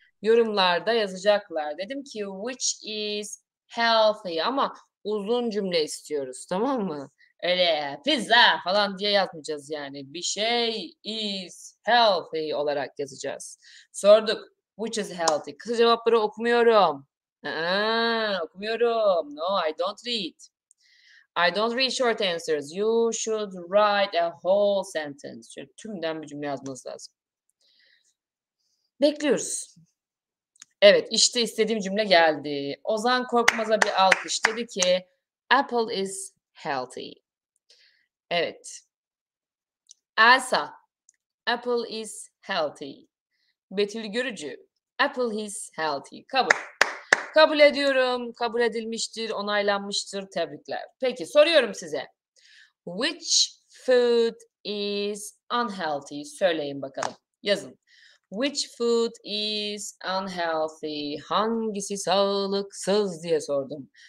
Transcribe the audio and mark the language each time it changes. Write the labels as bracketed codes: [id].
[tr] Yorumlarda yazacaklar. Dedim ki [en] which is healthy [tr] ama uzun cümle istiyoruz, tamam mı? Öyle pizza falan diye yazmayacağız yani. Bir şey [en] is healthy [tr] olarak yazacağız. Sorduk. [en] Which is healthy? [tr] Kısa cevapları okumuyorum. Okumuyorum. [en] No, I don't read. I don't read short answers. You should write a whole sentence. [tr] Yani tümden bir cümle yazmanız lazım. Bekliyoruz. Evet, işte istediğim cümle geldi. Ozan Korkmaz'a bir alkış. Dedi ki, [en] Apple is healthy. [tr] Evet. [en] Elsa, Apple is healthy. Betül Görücü, Apple is healthy. [tr] Kabul. Kabul ediyorum. Kabul edilmiştir, onaylanmıştır. Tebrikler. Peki, soruyorum size. [en] Which food is unhealthy? [tr] Söyleyin bakalım. Yazın. [en] Which food is unhealthy? [tr] Hangisi sağlıksız diye sordum.